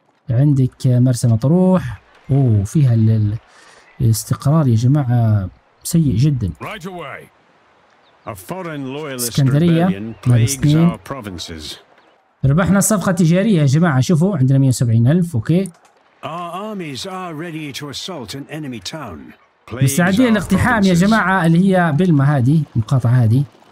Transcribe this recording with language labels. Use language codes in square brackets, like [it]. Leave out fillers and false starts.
[ar] عندك مرسى مطروح وفيها الاستقرار يا جماعه سيء جدا. اسكندرية فلسطين. ربحنا صفقة تجارية يا جماعة، شوفوا عندنا 170,000. اوكي [en] Our armies are ready to assault an enemy town. [ar] مستعدين للاقتحام يا جماعة، اللي هي بلما هذه، المقاطعة هذه.